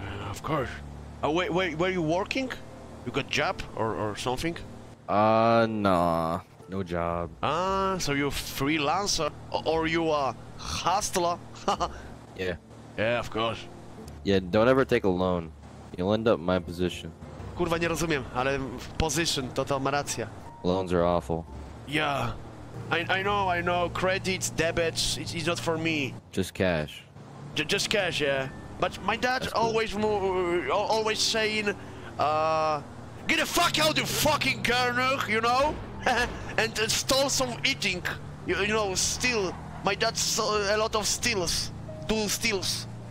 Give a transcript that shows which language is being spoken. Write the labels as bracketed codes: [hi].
[en] Of course. Wait, were you working? You got job or something? No job. So you're freelancer or you a hustler? Yeah. Yeah, of course. Yeah, don't ever take a loan. You'll end up in my position. [pl] Kurwa, nie rozumiem, ale position to ma rację. [en] Loans are awful. Yeah, I know. Credits, debits, it's not for me. Just cash. Just cash, yeah. But my dad always always saying, get the fuck out, you fucking Karnuk, you know? And stole some eating. You know, steal. My dad saw a lot of steals. Two steals.